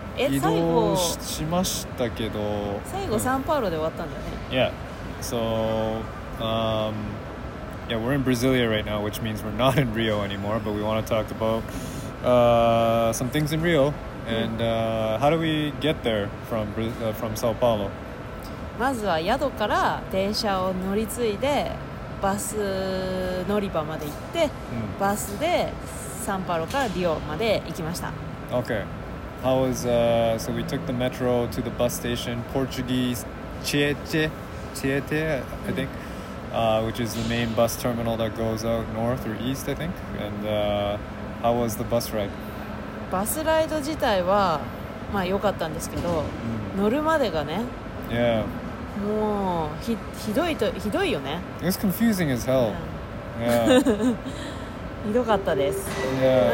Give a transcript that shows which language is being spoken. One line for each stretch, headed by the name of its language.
Japanese: え、最後移動しましたけど最後サンパウロで終わったんだよね。
English: Yeah, so、yeah, we're in Brasilia right now, which means we're not in Rio anymore, but we want to talk about、some things in Rio、and、how do we get there from,、from Sao Paulo?
Japanese: まずは宿から電車を乗り継いでバス乗り場まで行って、うん、バスでサンパウロからリオまで行きました。
English: Okay. How was, so we took the metro to the bus station, Portuguese Tietê, Tietê, I think,、which is the main bus terminal that goes out north or east, I think. And、how was the bus ride?
Japanese: バスライド自体はまあ良かったんですけど、うん、乗るまでがね、
English: Yeah.
Japanese: もう ひどいよね。
English: It was confusing as hell. Yeah.
Japanese: ひどかったです。
English: Yeah.